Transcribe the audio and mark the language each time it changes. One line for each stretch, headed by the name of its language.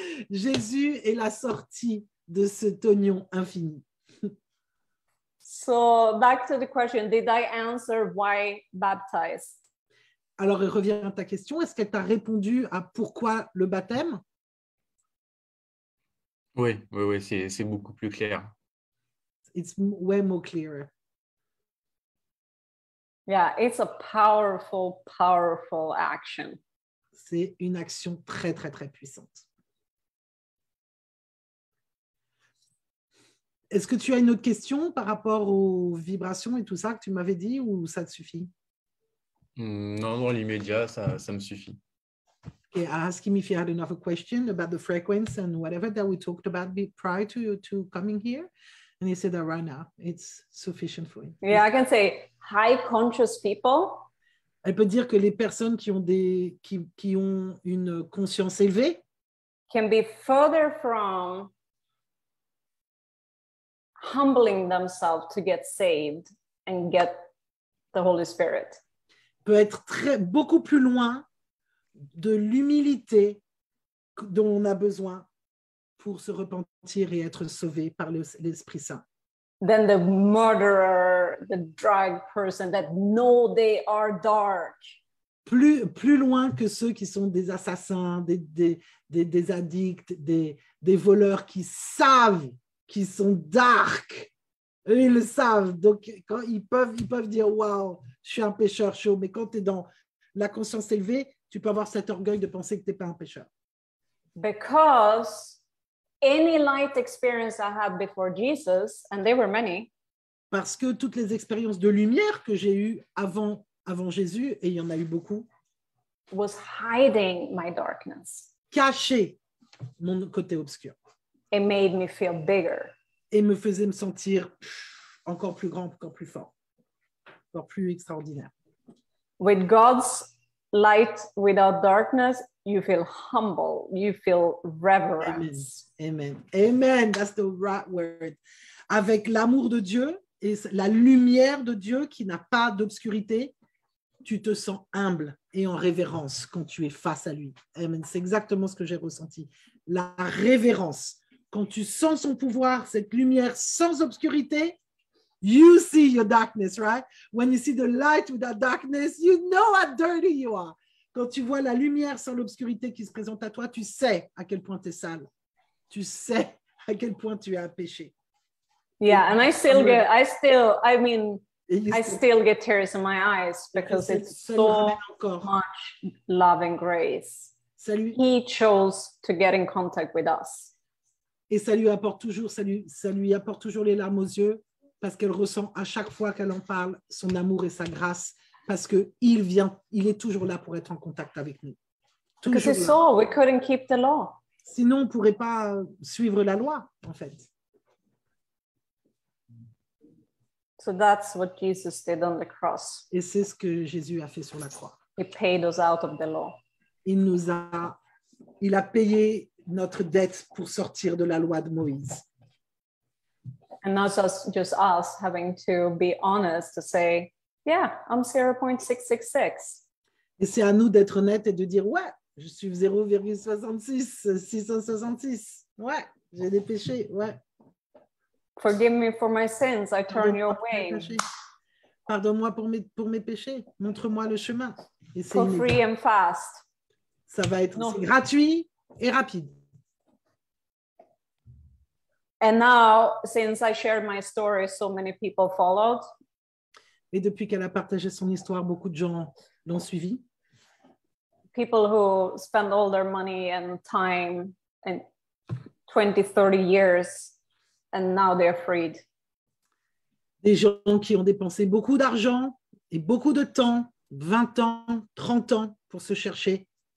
French: Jésus est la sortie de cet oignon infini.
English: So back to the question, did I answer why baptized?
French: Alors, il revient à ta question. Est-ce qu'elle t'a répondu à pourquoi le baptême? Oui, oui, oui, c'est beaucoup plus clair.
English: It's way more clearer. Yeah, it's a powerful, powerful action.
French: C'est une action très, très, très puissante. Est-ce que tu as une autre question par rapport aux vibrations et tout ça que tu m'avais dit, ou ça te suffit? Non, dans l'immédiat, ça me suffit.
English: Okay, asking if you had another question about the frequency and whatever that we talked about prior to coming here. And he said that right now, it's sufficient for you. Yeah, I can say high conscious people.
French: Elle peut dire que les personnes qui ont une conscience élevée
English: can be further from humbling themselves to get saved and get the Holy Spirit.
French: Peut être très beaucoup plus loin de l'humilité dont on a besoin pour se repentir et être sauvé par l'Esprit Saint.
English: Than the murderer, the drug person that know they are dark.
French: Plus loin que ceux qui sont des assassins, des addicts, des voleurs qui savent qui sont dark, eux, ils le savent. Donc, quand ils peuvent dire, waouh, je suis un pécheur chaud. Mais quand tu es dans la conscience élevée, tu peux avoir cet orgueil de penser que tu n'es pas un pécheur.
English: Because any light experience I had before Jesus, and they were many.
French: Parce que toutes les expériences de lumière que j'ai eues avant Jésus, et il y en a eu beaucoup,
English: was hiding my darkness.
French: Cacher mon côté obscur.
English: It made me feel bigger.
French: Et me faisait me sentir encore plus grand, encore plus fort, encore plus extraordinaire.
English: With God's light without darkness, you feel humble, you feel reverence. Amen. Amen. Amen. That's the right word.
French: Avec l'amour de Dieu et la lumière de Dieu qui n'a pas d'obscurité, tu te sens humble et en révérence quand tu es face à lui. Amen. C'est exactement ce que j'ai ressenti. La révérence. Quand tu sens son pouvoir, cette lumière sans obscurité,
English: you see your darkness, right? When you see the light without darkness, you know how dirty you are.
French: Quand tu vois la lumière sans l'obscurité qui se présente à toi, tu sais à quel point tu es sale. Tu sais à quel point tu es un péché.
English: Yeah, and I still get tears in my eyes because it's so much love and grace. He chose to get in contact with us.
French: Et ça lui apporte toujours les larmes aux yeux parce qu'elle ressent à chaque fois qu'elle en parle son amour et sa grâce parce que il est toujours là pour être en contact avec nous.
English: Because it's all, we couldn't keep the law.
French: Sinon, on pourrait pas suivre la loi, en fait.
English: So that's what Jesus did on the cross.
French: Et c'est ce que Jésus a fait sur la croix.
English: He paid us out of the law.
French: Il a payé notre dette pour sortir de la loi de Moïse.
English: And not just us having to be honest to say, yeah, I'm 0.666.
French: Et c'est à nous d'être honnêtes et de dire, ouais, je suis 0,66, 666. Ouais, j'ai des péchés, ouais.
English: Forgive me for my sins, I turn your way.
French: Pardonne-moi pour mes péchés, montre-moi le chemin. Et c'est
English: for free and fast.
French: Ça va être aussi gratuit et rapide.
English: And now, since I shared my story, so many people followed.
French: Et depuis qu'elle a partagé son histoire, beaucoup de gens l'ont suivi.
English: People who spend all their money and time and 20, 30 years, and now they're freed.
French: Des gens qui ont dépensé beaucoup d'argent et beaucoup de temps, 20 ans, 30 ans, pour se chercher.